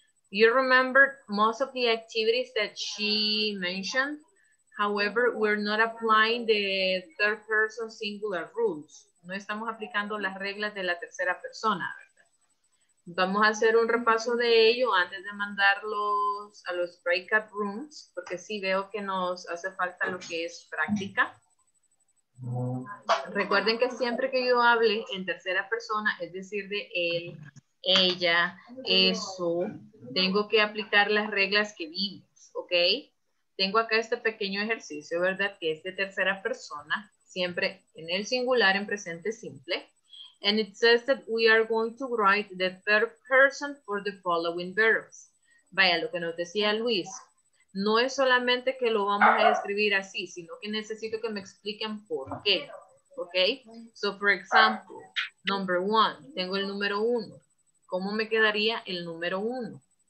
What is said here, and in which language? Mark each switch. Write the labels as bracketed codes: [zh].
[en] You remember most of the activities that she mentioned. However, we're not applying the third person singular rules. [es] No estamos aplicando las reglas de la tercera persona. Vamos a hacer un repaso de ello antes de mandarlos a los breakout rooms, porque sí veo que nos hace falta lo que es práctica. Recuerden que siempre que yo hable en tercera persona, es decir, de él, ella, eso, tengo que aplicar las reglas que vimos, ¿ok? Tengo acá este pequeño ejercicio, ¿verdad? Que es de tercera persona, siempre en el singular, en presente simple. [en] And it says that we are going to write the third person for the following verbs. [es] Vaya, lo que nos decía Luis. No es solamente que lo vamos a escribir así, sino que necesito que me expliquen por qué. [en] Okay? So, for example, number one. [es] Tengo el número uno. ¿Cómo me quedaría el número uno?